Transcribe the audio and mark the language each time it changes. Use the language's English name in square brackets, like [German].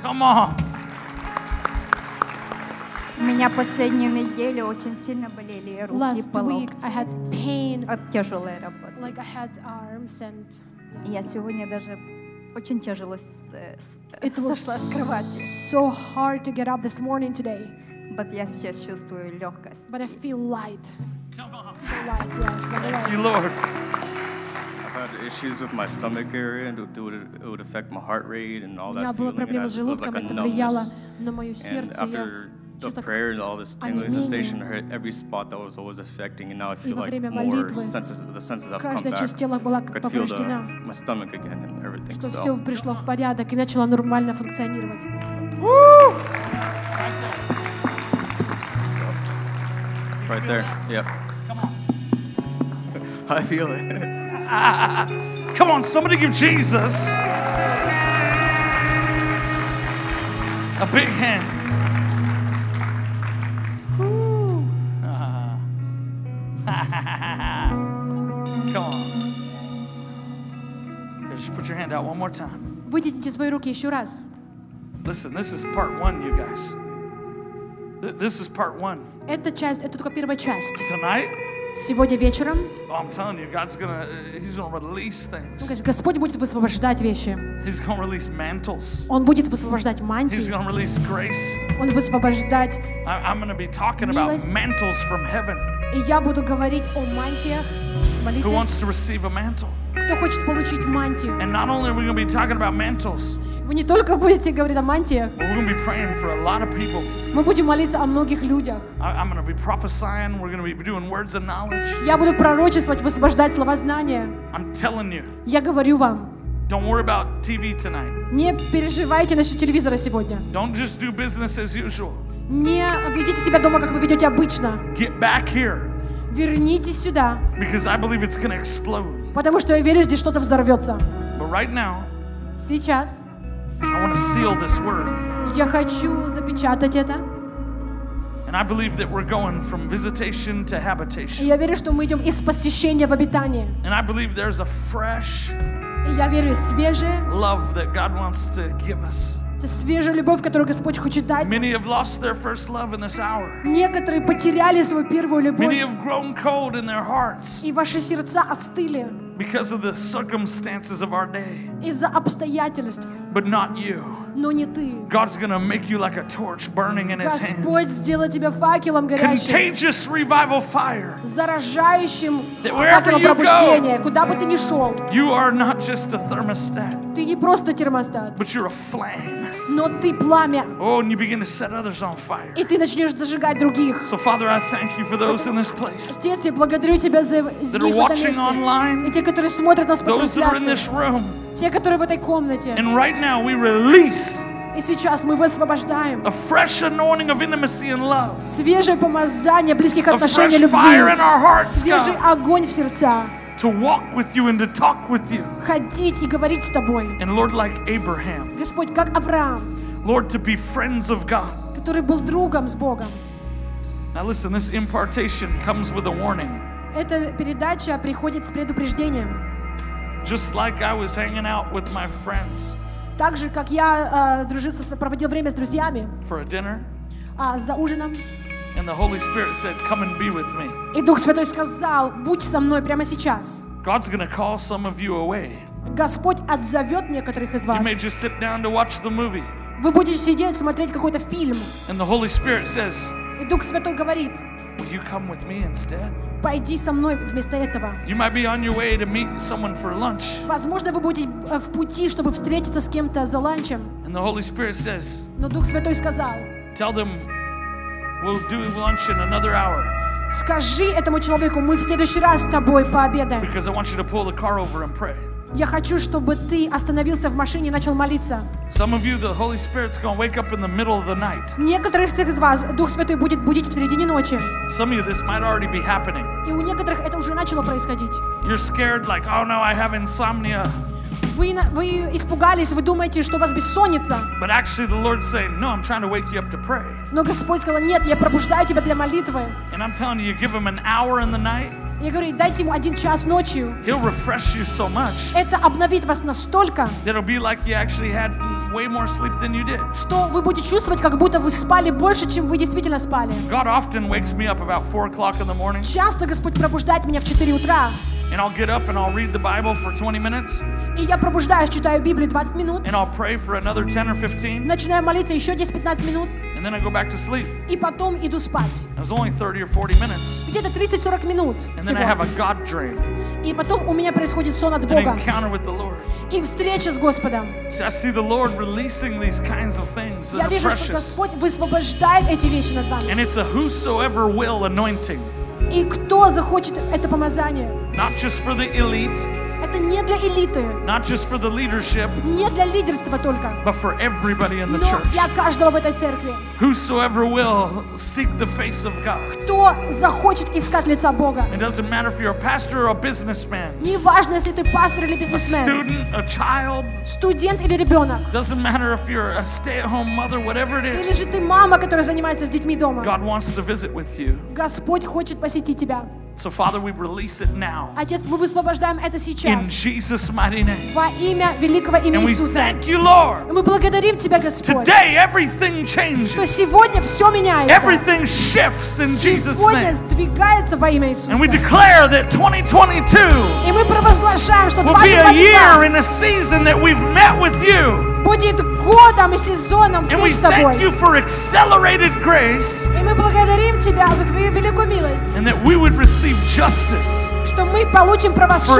[English] Come on. [Russian] У меня последние недели очень сильно болели руки, [English] Last week I had pain. [Russian] От тяжелой работы. [English] Like I had arms and. [Russian] Я сегодня даже очень тяжело сошла с кровати. [English] So hard to get up this morning today. But [Russian] я сейчас чувствую легкость. [English] But I feel light. Come on. So light, yeah, it's Thank you, Lord. I've had issues with my stomach area, and it would affect my heart rate and all that feeling. And I was like a numbness. And after the prayer and all this tingling sensation, I hurt every spot that was always affecting, and now I feel like more senses. The senses have come back. Could feel my stomach again and everything. [Russian] Что все пришло в порядок и начало нормально функционировать. [English] Right there. Yep. Come on. I feel it. Come on, somebody give Jesus a big hand. Come on. Here, just put your hand out one more time. [Russian] Вытяните свои руки еще раз. [English] Listen, this is part one, you guys. This is part one. [Russian] Эта часть, это только первая часть. [English] Tonight. [Russian] Сегодня вечером. [English] I'm telling you, He's gonna release things. [Russian] Господь будет высвобождать вещи. [English] He's gonna release mantles. [Russian] Он будет высвобождать мантии. [English] He's gonna release grace. [Russian] Он высвобождать. [English] I'm gonna be talking about mantles from heaven. [Russian] И я буду говорить о мантиях. [English] Who wants to receive a mantle? [Russian] Кто хочет получить мантию? [English] And not only are we gonna be talking about mantles. [Russian] Вы не только будете говорить о мантиях. [English] We're gonna be praying for a lot of people. [Russian] Мы будем молиться о многих людях. [English] I'm gonna be prophesying. We're gonna be doing words of knowledge. [Russian] Я буду пророчествовать, высвобождать слова знания. [English] I'm telling you. [Russian] Я говорю вам. [English] Don't worry about TV tonight. [Russian] Не переживайте насчет телевизора сегодня. [English] Don't just do business as usual. [Russian] Не ведите себя дома, как вы ведете обычно. [English] Get back here. [Russian] Вернитесь сюда. [English] Because I believe it's gonna explode. [Russian] Потому что я верю, здесь что-то взорвется. [English] But right now. [Russian] Сейчас. [English] I want to seal this word. [Russian] Я хочу запечатать это. [English] And I believe that we're going from visitation to habitation. [Russian] Я верю, что мы идем из посещения в обитание. [English] And I believe there's a fresh. [Russian] Я верю, свежее. [English] Love that God wants to give us. [Russian] Это свежая любовь, которую Господь хочет дать. [English] Many have lost their first love in this hour. [Russian] Некоторые потеряли свою первую любовь. [English] Many have grown cold in their hearts. [Russian] И ваши сердца остыли. [English] Because of the circumstances of our day. [Russian] Из-за обстоятельств. [English] But not you. [Russian] Но не ты. [English] God's gonna make you like a torch burning in His hand. [Russian] Господь сделает тебя факелом горящим. [English] Contagious revival fire. [Russian] Заражающим факелом пробуждения. Куда бы ты ни шел. [English] You are not just a thermostat. [Russian] Ты не просто термостат. [English] But you're a flame. [Russian] Но ты пламя. [English] Oh, and you begin to set others on fire. [Russian] И ты начнешь зажигать других. [English] So, Father, I thank you for those in this place. [Russian] Отец, я благодарю тебя за них. [English] That are watching online. [Russian] И те, которые смотрят нас по трансляции. [English] Those that are in this room. [Russian] Те, которые в этой комнате. [English] And right now we release. [Russian] И сейчас мы высвобождаем. [English] A fresh anointing of intimacy and love. [Russian] Свежее помазание близких отношений любви. [English] A fresh fire in our hearts, God. [Russian] Свежий огонь в сердца. [English] To walk with you and to talk with you. [Russian] Ходить и говорить с тобой. [English] And Lord, like Abraham. [Russian] Господь, как Авраам. [English] Lord, to be friends of God. [Russian] Который был другом с Богом. [English] Now listen, this impartation comes with a warning. [Russian] Эта передача приходит с предупреждением. [English] Just like I was hanging out with my friends. [Russian] Так же, как я дружил со своими, проводил время с друзьями. [English] For a dinner. [Russian] За ужином. [English] And the Holy Spirit said, "Come and be with me." [Russian] И Дух Святой сказал, будь со мной прямо сейчас. [English] God's gonna call some of you away. [Russian] Господь отзовет некоторых из вас. [English] You may just sit down to watch the movie. [Russian] Вы будете сидеть смотреть какой-то фильм. [English] And the Holy Spirit says. [Russian] И Дух Святой говорит. [English] Will you come with me instead? [Russian] Пойди со мной вместо этого. [English] You might be on your way to meet someone for lunch. [Russian] Возможно, вы будете в пути, чтобы встретиться с кем-то за ланчем. [English] And the Holy Spirit says. [Russian] Но Дух Святой сказал. [English] Tell them. We'll do lunch in another hour. [Russian] Скажи этому человеку, мы в следующий раз с тобой пообедаем. [English] Because I want you to pull the car over and pray. [Russian] Я хочу, чтобы ты остановился в машине и начал молиться. [English] Some of you, the Holy Spirit's gonna wake up in the middle of the night. [Russian] Некоторых из вас Дух Святой будет будить в середине ночи. [English] Some of you, this might already be happening. [Russian] И у некоторых это уже начало происходить. [English] You're scared, like, oh no, I have insomnia. [Russian] Вы испугались, вы думаете, что у вас бессонница. [English] But actually the Lord's saying, no, I'm trying to wake you up to pray. [Russian] Но Господь сказал, нет, я пробуждаю тебя для молитвы. [English] And I'm telling you, you give him an hour in the night. [Russian] Я говорю, дайте ему один час ночью. [English] He'll refresh you so much. [Russian] Это обновит вас настолько. [English] It'll be like you actually had way more sleep than you did. [Russian] Что вы будете чувствовать, как будто вы спали больше, чем вы действительно спали. [English] God often wakes me up about 4 o'clock in the morning. [Russian] Часто Господь пробуждает меня в 4 утра. [English] And I'll get up and I'll read the Bible for 20 minutes. [Russian] И я пробуждаюсь, читаю Библию 20 минут. [English] And I'll pray for another 10 or 15. [Russian] Начинаю молиться еще 10-15 минут. [English] And then I go back to sleep. [Russian] И потом иду спать. [English] It was only 30 or 40 minutes. [Russian] Где-то 30-40 минут. [English] And then I have a God dream. [Russian] И потом у меня происходит сон от Бога. [English] An encounter with the Lord. [Russian] И встреча с Господом. [English] See, I see the Lord releasing these kinds of things that are precious. [Russian] Я вижу, что Господь высвобождает эти вещи над вами. [English] And it's a whosoever will anointing. [Russian] И кто захочет это помазание? [English] Not just for the elite. [Russian] Это не для элиты. [English] Not just for the leadership. [Russian] Не для лидерства только. [English] But for everybody in the church. [Russian] Но для каждого в этой церкви. [English] Whosoever will seek the face of God. [Russian] Кто захочет искать лица Бога? [English] It doesn't matter if you're a pastor or a businessman. [Russian] Не важно, если ты пастор или бизнесмен. [English] A student, a child. [Russian] Студент или ребенок. [English] Doesn't matter if you're a stay-at-home mother, whatever it is. [Russian] Или же ты мама, которая занимается с детьми дома. [English] God wants to visit with you. [Russian] Господь хочет посетить тебя. [English] So Father, we release it now. [Russian] Отец, мы высвобождаем это сейчас. [English] In Jesus' mighty name. [Russian] Во имя великого имени Иисуса. [English] And we thank you, Lord. [Russian] Мы благодарим тебя, Господь. [English] Today everything changes. [Russian] Что сегодня все меняется. [English] Everything shifts in Jesus' name. [Russian] Сегодня сдвигается во имя Иисуса. [English] And we declare that 2022. [Russian] И мы провозглашаем, что [English] 2022 will be a year in a season that we've met with you. [Russian] Будет годом и сезоном встреч с тобой. [English] And we thank you for accelerated grace. [Russian] И мы благодарим тебя за твою великую милость. [English] And that we would receive justice. [Russian] Что мы получим правосудие.